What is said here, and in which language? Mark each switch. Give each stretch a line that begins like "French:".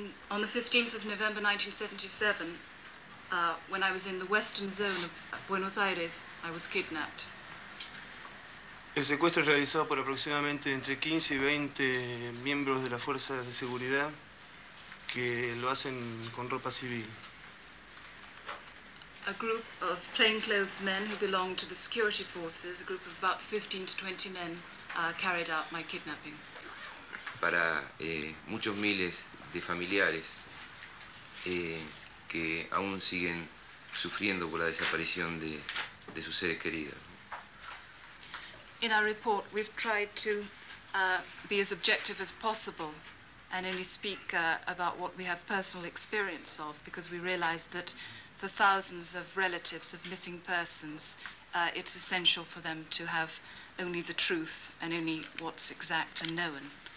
English: On the 15th of November 1977, when I was in the western zone of Buenos Aires, I was kidnapped.
Spanish: El secuestro es realizado por aproximadamente entre 15 y 20 miembros de las fuerzas de seguridad que lo hacen con ropa civil.
English: A group of plain-clothes men who belong to the security forces, a group of about 15 to 20 men, carried out my kidnapping.
Spanish: Para muchos miles de familiares que aún siguen sufriendo por la desaparición de sus seres queridos.
English: In our report, we've tried to be as objective as possible and only speak about what we have personal experience of, because we realize that for thousands of relatives of missing persons, it's essential for them to have only the truth and only what's exact and known.